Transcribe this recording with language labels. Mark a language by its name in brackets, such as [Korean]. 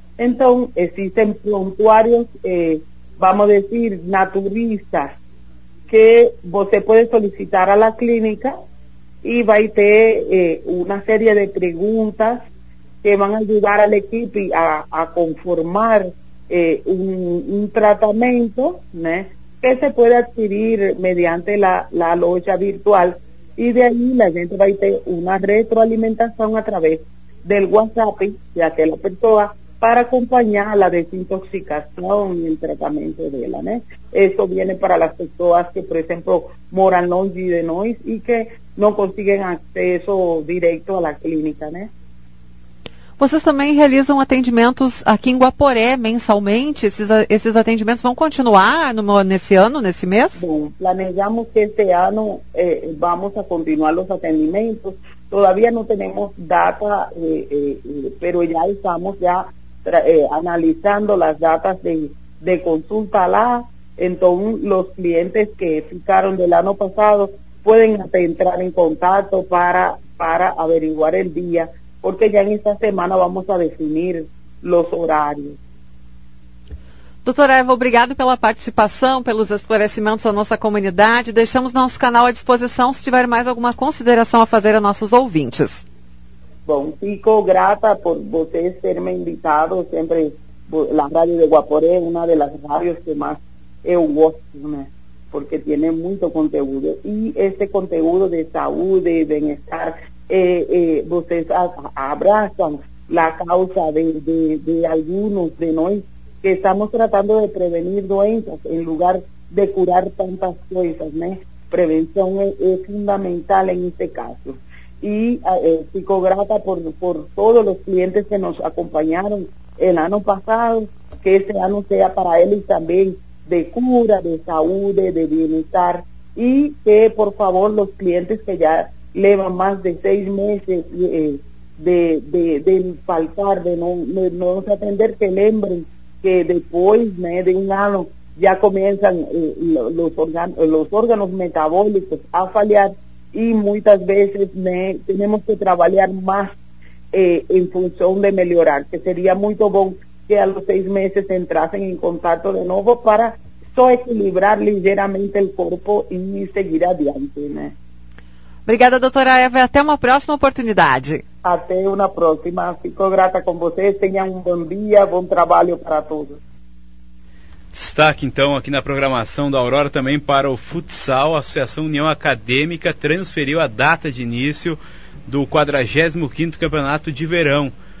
[Spanish] Entonces existen prontuarios, vamos a decir, naturistas, que usted puede solicitar a la clínica y va a tener una serie de preguntas que van a ayudar al equipo a conformar un tratamiento, ¿no?, que se puede adquirir mediante la loja virtual, y de ahí la gente va a tener una retroalimentación a través del WhatsApp, ya que la persona para acompañar la desintoxicación y el tratamiento de ella, ¿no? Eso viene para las personas que, por ejemplo, [Portuguese] moran longe de nois [Spanish] y que no consiguen acceso directo a la clínica, ¿no? [Portuguese] Vocês também realizam atendimentos aqui em Guaporé mensalmente? Esses atendimentos vão continuar nesse ano, nesse mês? Bom, planejamos que este ano vamos a continuar os atendimentos. Todavía não temos data, pero já estamos analizando as datas de consulta lá. Então, os clientes que ficaram do ano passado podem entrar em contato para averiguar o dia. [Spanish] Porque ya en esta semana vamos a definir los horarios. [Portuguese] Doutora Eva, obrigado pela participação, pelos esclarecimentos à nossa comunidade. Deixamos nosso canal à disposição se tiver mais alguma consideração a fazer a nossos ouvintes. Bom, fico grata por vocês terem me invitado. Sempre a Rádio de Guaporé é uma das rádios que mais eu gosto, né? Porque tem muito conteúdo. E esse conteúdo de saúde e bem-estar... vocês abraçam a causa de alguns de nós que estamos tratando de prevenir doenças em lugar de curar tantas coisas, né? Prevenção é fundamental em este caso. E fico grata por todos os clientes que nos acompanharam el ano passado, que este ano seja para eles também de cura, de saúde, de bem-estar, e que, por favor, os clientes que já leva más de 6 meses [Spanish] de faltar, de no atender, que lembren que después, ¿no?, de un año ya comienzan los órganos metabólicos a fallar, y muchas veces, ¿no?, tenemos que trabajar más en función de mejorar, que sería muy bueno que a los 6 meses entrasen en contacto de nuevo para equilibrar ligeramente el cuerpo y seguir adelante, ¿no? [Portuguese] Obrigada, doutora Eva, até uma próxima oportunidade. Até uma próxima. Fico grata com vocês. Tenham um bom dia, bom trabalho para todos. Destaque, então, aqui na programação da Aurora também para o futsal. A Associação União Acadêmica transferiu a data de início do 45º Campeonato de Verão.